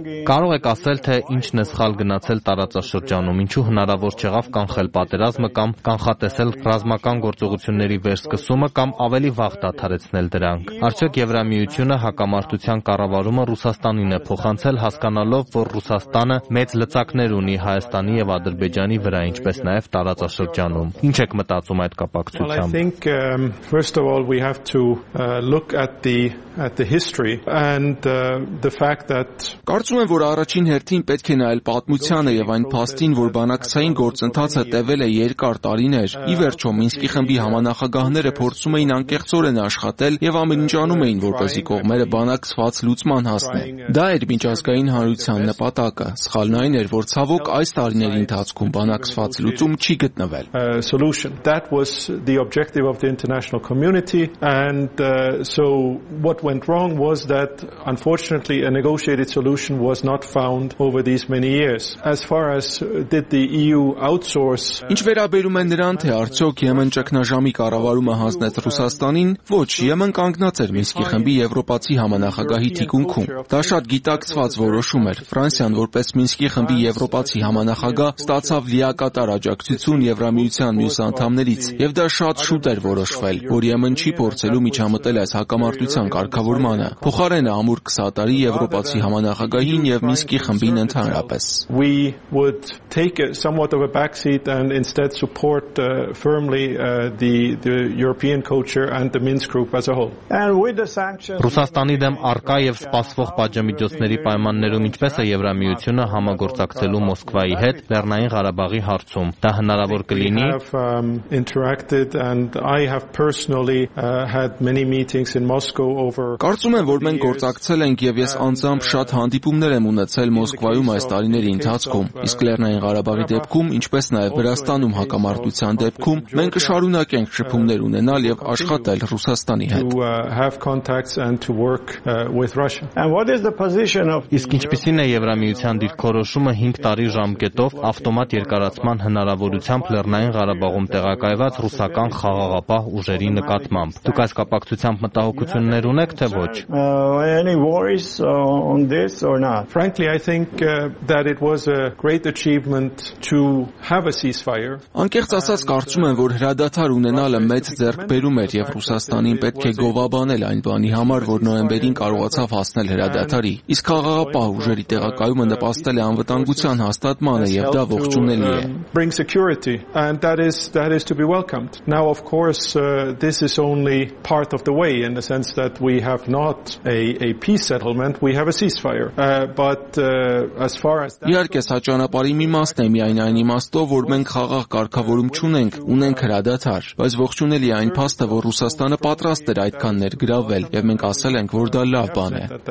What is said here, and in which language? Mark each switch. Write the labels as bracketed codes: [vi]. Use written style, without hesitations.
[hy] Կարող եք ասել, թե ինչն է սխալ գնացել տարածաշրջանում, ինչու հնարավոր չեղավ կանխել պատերազմը կամ կանխատեսել ռազմական գործողությունների վերսկսումը կամ ավելի վաղ դադարեցնել դրանք։ Արդյոք Եվրամիությունը հակամարտության կառավարումը Ռուսաստանին է փոխել, անցել հասկանալով, որ Ռուսաստանը մեծ լծակներ ունի Հայաստանի եւ Ադրբեջանի վրա, ինչպես նաեւ տարածաշրջանում։ Ինչ եք մտածում այդ կապակցությամբ։ [en] First of all, we have to look at the history and the fact that [hy] կարծում եմ, որ առաջին հերթին պետք է նայել պատմությանը եւ այն փաստին, որ բանակցային գործընթացը տևել է երկար տարիներ։ Ի վերջո Մինսկի խմբի համանախագահները փորձում էին անկեղծորեն աշխատել եւ ամեն ինչ անում էին, որպեսզի կողմերը բանակցված լուծման հասնեն։ Դա այդ միջազգային հանրության նպատակը, սխալն այն էր, որ ցավոք այս տարիների ընթացքում բանակցված լուծում չի գտնվել։ [en] That was the objective of the international community, and so what went wrong was that unfortunately a negotiated solution was not found over these many years. As far as did the EU outsource, [hy] ինչ վերաբերում է նրան, թե արդյոք ԵՄ-ն ճգնաժամի կառավարումը հանձնեց Ռուսաստանին, ոչ, ԵՄ-ն կանգնած էր Մինսկի խմբի Եվրոպացի համանախագահի թիկունքում։ Դա շատ տակցված որոշում էր։ Ֆրանսիան, որպես Մինսկի խմբի Եվրոպացի համանախագահ, ստացավ լիակատար աջակցություն Եվրամիության մյուս անդամներից, եւ դա շատ շուտ էր որոշվել, որ ԵՄ-ն չի փորձելու միջամտել այս հակամարտության կարգավորմանը։ Փոխարենը ամուր կսատարի Եվրոպացի համանախագահին եւ Մինսկի խմբին ընդհանրապես։ [en] We would take somewhat of a backseat and instead support firmly the European culture and the Minsk group as a whole. And with the [hy] sanctions Ռուսաստանի դեմ արկա եւ սպասվող միջոցների պայմաններում ինչպես է Եվրամիությունը համագործակցելու Մոսկվայի հետ Լեռնային Ղարաբաղի հարցում։ Դա հնարավոր կլինի։ Կարծում եմ, որ մենք գործակցել ենք եւ ես անձամբ շատ հանդիպումներ եմ ունեցել Մոսկվայում այս տարիների ընթացքում։ Իսկ Լեռնային Ղարաբաղի դեպքում, ինչպես նաեւ Վրաստանում հակամարտության դեպքում, մենք կշարունակենք շփումներ ունենալ եւ աշխատել Ռուսաստանի հետ։ Իսկ ինչպիսին է Եվրամիության դիրքորոշումը 5 տարի ժամկետով ավտոմատ երկարացման հնարավորությամբ Լեռնային Ղարաբաղում տեղակայված ռուսական խաղաղապահ ուժերի նկատմամբ։ Դուք այս կապակցությամբ մտահոգություններ ունեք, թե ոչ։ [en] Frankly, I think that it was a great achievement to have a ceasefire. [hy] Անկեղծ ասած, կարծում եմ, որ հրադադար ունենալը մեծ ձեռքբերում էր եւ Ռուսաստանին պետք է գովաբանել այն բանի համար, որ նոեմբերին կարողացավ հասնել հրադադարի։ Իսկ խաղաղապահ ուժերի տեղակայումը նպաստել է անվտանգության հաստատմանը եւ դա ողջունելի է։ [en] Bring security and that is to be welcomed. Now of course this is only part of the way in the sense that we have not a peace settlement, we have a ceasefire. As far as [hy] Իհարկե սա ճանապարհի մի մասն է, միայն այն իմաստով, որ մենք խաղաղ կարգավորում չունենք, ունենք հրադադար, բայց ողջունելի է այն փաստը, որ Ռուսաստանը պատրաստ էր այդքան ներգրավել եւ մենք ասել ենք, որ դա լավ բան է։